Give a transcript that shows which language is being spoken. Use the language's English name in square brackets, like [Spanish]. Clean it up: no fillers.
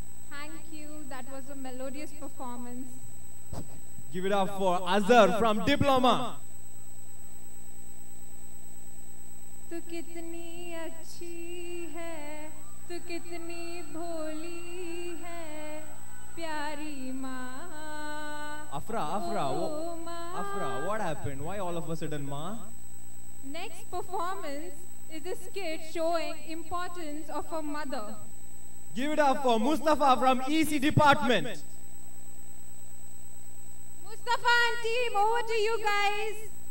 [English] Thank you. That was a melodious performance. Give it up for Azhar from Diploma. [Hindi] तू कितनी अच्छी है, तू कितनी भोली है, प्यारी माँ. [English] Afra, what happened? Why all of a sudden, ma? Next performance is a skit showing importance of a mother. Give it up for Mustafa from EC department. Mustafa and team, over to you guys.